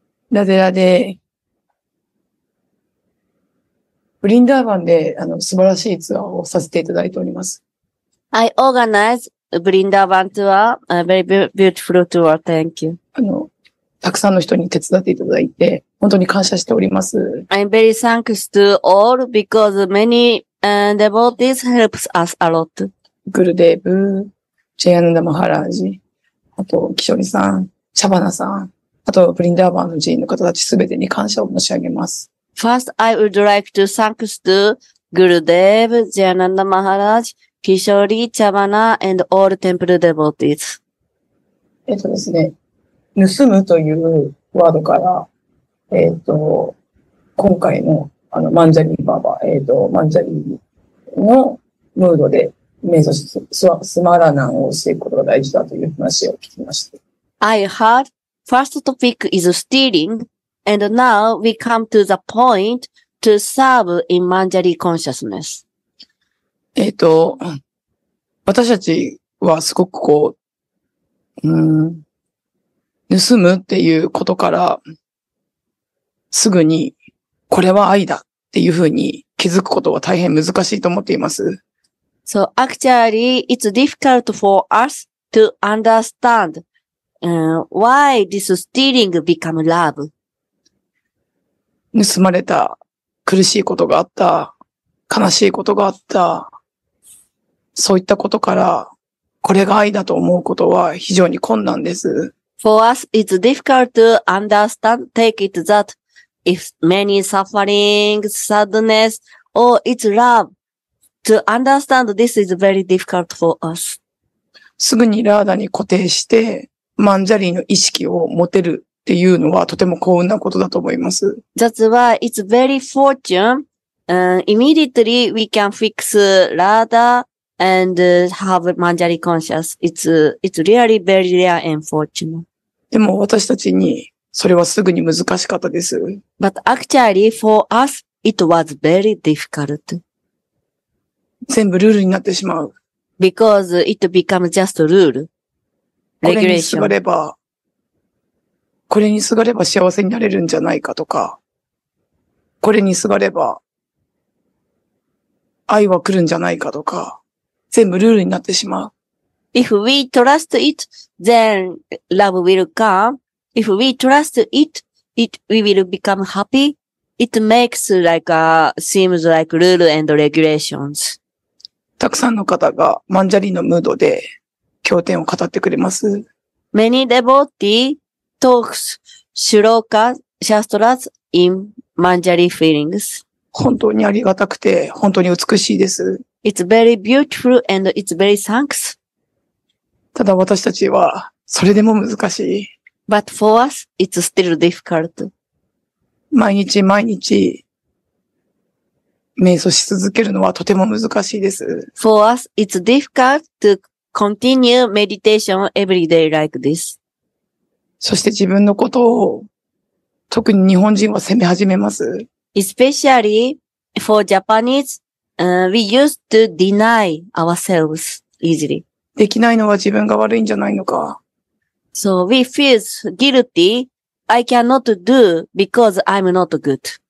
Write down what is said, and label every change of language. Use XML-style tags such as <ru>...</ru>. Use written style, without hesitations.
<ja>ラデラで、ブリンダーバンで、素晴らしいツアーをさせていただいております。</ja> <en>I organized Vrindavan tour, a very beautiful tour, thank you.</en> <ja>たくさんの人に手伝っていただいて、本当に感謝しております。</ja> <en>I'm very thanks to all because many devotees helps us a lot.</en> <ja>グルデーブ、ジェイアナダ・マハラージ、あと、キショリさん、シャバナさん、あと、ブリンダーバーの寺院の方たちすべてに感謝を申し上げます。</ja> <en>First, I would like to thanks to Gurudev, Jayananda Maharaj, Kishori, Chavana, and all temple devotees.</en> <ja>ですね、盗むというワードから、今回の、マンジャリーバーバー、マンジャリーのムードで、瞑想し、スマラナンをしていくことが大事だという話を聞きました。</ja> <en>I heardFirst topic is stealing, and now we come to the point to serve in Manjari consciousness.</en> <ja>私たちはすごくこう、盗むっていうことから、すぐにこれは愛だっていうふうに気づくことは大変難しいと思っています。</ja> <en>So actually, it's difficult for us to understandwhy this stealing become love?</en> <ja>盗まれた、苦しいことがあった、悲しいことがあった、そういったことから、これが愛だと思うことは非常に困難です。</ja> <en>For us, it's difficult to understand, take it that if many suffering, sadness, or it's love, to understand this is very difficult for us.</en> <ja>すぐにラーダに固定して、マンジャリーの意識を持てるっていうのはとても幸運なことだと思います。</ja> <en>That's why it's very fortune. Immediately we can fix Radha and have Manjari conscious. It's really very rare and fortunate.</en> <ja>でも私たちにそれはすぐに難しかったです。</ja> <en>But actually for us it was very difficult.</en> <ja>全部ルールになってしまう。</ja> <en>Because it become just rule.</en> <ja>これにすがれば幸せになれるんじゃないかとか、これにすがれば愛は来るんじゃないかとか、全部ルールになってしまう。</ja> <en>If we trust it, then love will come. If we trust it, it, we will become happy. It makes like a, seems like rule and regulations.</en> <ja>たくさんの方がマンジャリのムードで経典を語ってくれます。</ja> <en>Many devotee talks shloka shastras in manjari feelings.</en> <ja>本当にありがたくて本当に美しいです。</ja> <en>It's very beautiful and it's very thanks.</en> <ja>ただ私たちはそれでも難しい。</ja> <en>But for us, it's still difficult.</en> <ja>毎日毎日瞑想し続けるのはとても難しいです。</ja> <en>For us, it's difficult to continue meditation every day like this.</en> <ja>そして自分のことを特に日本人は責め始めます。</ja> <en>Especially for Japanese, we used to deny ourselves easily.</en> <ja>できないのは自分が悪いんじゃないのか。</ja> <en>So we feel guilty. I cannot do because I'm not good.</en>